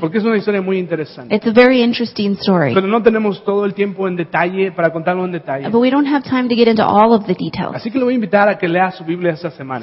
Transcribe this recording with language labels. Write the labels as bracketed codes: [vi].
[es] Porque es una historia muy interesante. [en] It's a very interesting story. [es] Pero no tenemos todo el tiempo en detalle para contarlo en detalle. [en] But we don't have time to get into all of the details. [es] Así que le voy a invitar a que lea su Biblia esta semana.